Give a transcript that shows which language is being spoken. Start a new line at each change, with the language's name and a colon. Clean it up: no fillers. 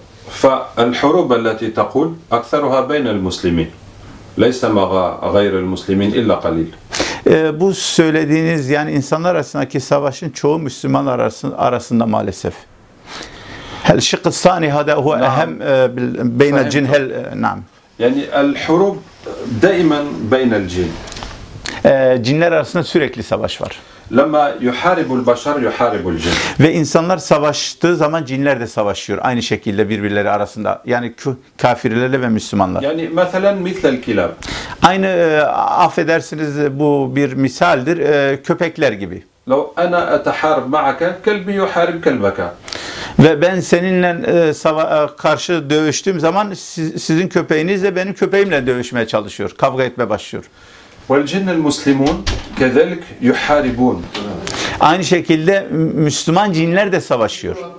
Arabic: فالحروب التي تقول أكثرها بين المسلمين ليس مع غير المسلمين إلا قليل.
Turkish: Bu söylediğiniz yani insanlar arasındaki savaşın çoğu Müslüman arasında maalesef.
Arabic: هل الشق الثاني هذا هو نعم. اهم بين فهمت. الجن هل نعم يعني الحروب دائما بين الجن
Turkish: جنler arasında sürekli savaş var.
Arabic: لما يحارب البشر يحارب الجن.
Turkish: Ve insanlar savaştığı zaman cinler de savaşıyor aynı şekilde birbirleri arasında. Yani kafirlerle ve Müslümanlar.
Arabic: Yani مثلا مثل الكلاب.
Turkish: Aynı affedersiniz bu bir misaldir köpekler gibi.
Arabic: لو انا اتحارب معك كلبي يحارب كلبك.
Turkish: Ve ben seninle karşı dövüştüğüm zaman sizin köpeğinizle benim köpeğimle dövüşmeye çalışıyor, kavga etmeye başlıyor.
Arabic: Vel cinnel muslimun kezalik yuharibun.
Turkish: Aynı şekilde Müslüman cinler de savaşıyor.